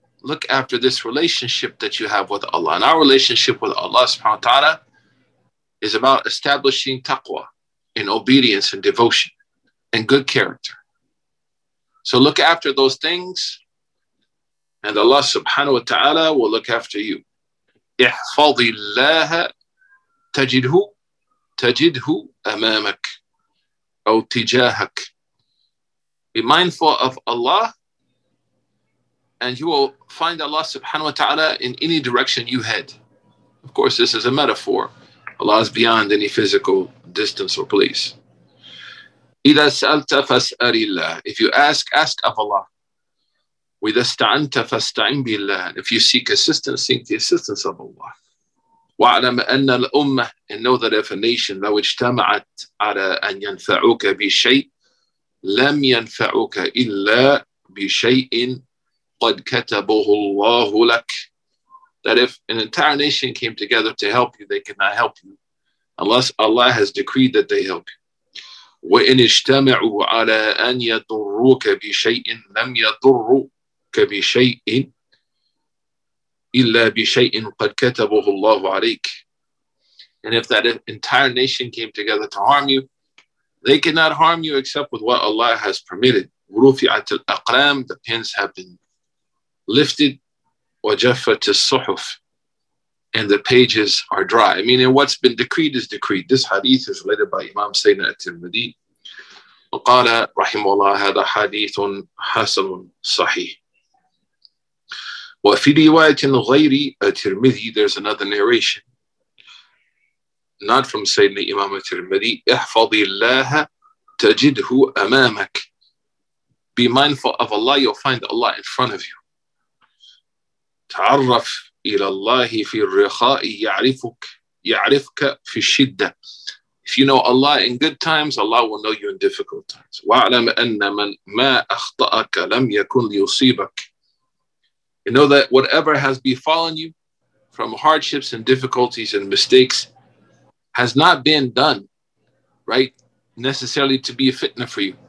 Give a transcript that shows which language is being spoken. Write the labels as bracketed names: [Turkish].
[English] Look after this relationship that you have with Allah. And our relationship with Allah subhanahu wa ta'ala is about establishing taqwa in obedience and devotion and good character. So look after those things, and Allah subhanahu wa ta'ala will look after you. [Arabic] احفظي الله تجده أمامك أو تجاهك. [English] Be mindful of Allah, and you will find Allah subhanahu wa ta'ala in any direction you head. Of course, this is a metaphor. Allah is beyond any physical distance or place. [Arabic] إذا سألت فاسأل الله. [English] If you ask, ask of Allah. [Arabic] وإذا استعنت فاستعن بالله. [English] If you seek assistance, seek the assistance of Allah. [Arabic] وعلم أن الأمة. [English] And know that if a nation [Arabic] لو اجتمعت على أن ينفعوك بشيء لم ينفعوك إلا بشيء قد كتبه الله لك. [English] That if an entire nation came together to help you, they cannot help you unless Allah has decreed that they help you. [Arabic] وإن اجتمعوا على أن يضروك بشيء لم يضروك بشيء إلا بشيء قد كتبه الله عليك. [English] And if that entire nation came together to harm you, they cannot harm you except with what Allah has permitted. [Arabic] ورفعت الأقلام, [English] the pins have been lifted. [Arabic] وجفت الصحف, [English] and the pages are dry. I mean, and what's been decreed is decreed. This hadith is related by Imam Sayyidina At-Tirmidhi. [Arabic] وقال رحمه الله هذا حديث حسن صحيح. وفي رواية غير الترمذي, [English] there's another narration, not from Sayyidina Imam At-Tirmidhi. [Arabic] احفظ الله تجده أمامك. [English] Be mindful of Allah, you'll find Allah in front of you. [Arabic] تعرف إلى الله في الرخاء يعرفك في الشدة. [English] If you know Allah in good times, Allah will know you in difficult times. [Arabic] وَاعْلَمْ أَنَّ مَنْ مَا أَخْطَأَكَ لَمْ يَكُنْ لِيُصِيبَكَ. [English] You know that whatever has befallen you from hardships and difficulties and mistakes has not been done, right, necessarily to be a fitna for you.